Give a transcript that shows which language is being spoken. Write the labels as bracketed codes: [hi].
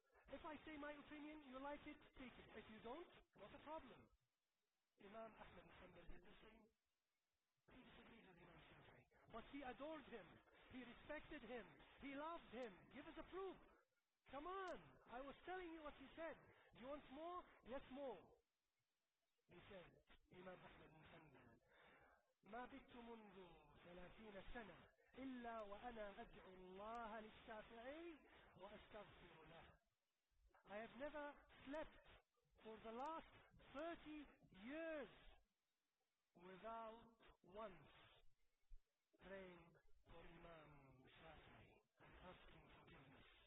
[en] If I say my opinion, you like it, take it. If you don't, what's the problem? Imam Ahmed Muhammad did the same. He disagreed with Imam Shafi'i. But he adored him. He respected him. He loved him. Give us a proof. Come on. I was telling you what he said. You want more? Yes, more. He said, [ar] Imam Ahmed Muhammad, ما بت منذ 30 سنة إلا وأنا أدعو الله للشافعي وأستغفر له. [en] I have never slept for the last 30 years without once praying for Imam Shafi'i and asking forgiveness.